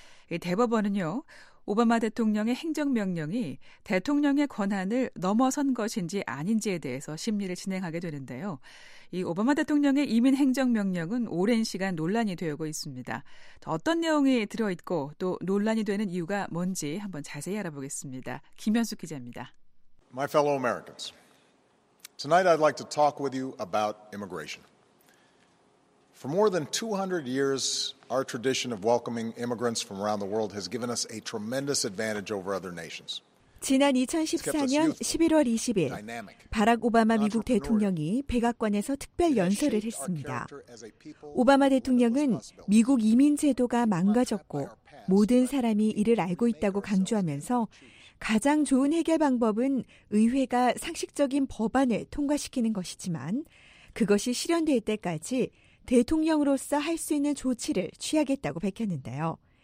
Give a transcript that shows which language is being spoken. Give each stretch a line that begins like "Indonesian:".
Korean: 이 대법원은요, 오바마 대통령의 행정명령이 대통령의 권한을 넘어선 것인지 아닌지에 대해서 심리를 진행하게 되는데요. 이 오바마 대통령의 이민 행정명령은 오랜 시간 논란이 되고 있습니다. 어떤 내용이 들어있고 또 논란이 되는 이유가 뭔지 한번 자세히 알아보겠습니다. 김현숙 기자입니다.
English: My fellow Americans, tonight I'd like to talk with you about immigration. For more than 200 years, our tradition of welcoming immigrants from around the world has given us a tremendous advantage over other nations.
Korean: 지난 2014년 11월 20일, 바락 오바마 미국 대통령이 백악관에서 특별 연설을 했습니다. 오바마 대통령은 미국 이민 제도가 망가졌고 모든 사람이 이를 알고 있다고 강조하면서 가장 좋은 해결 방법은 의회가 상식적인 법안을 통과시키는 것이지만 그것이 실현될 때까지 대통령으로서 할 수 있는 조치를 취하겠다고 밝혔는데요.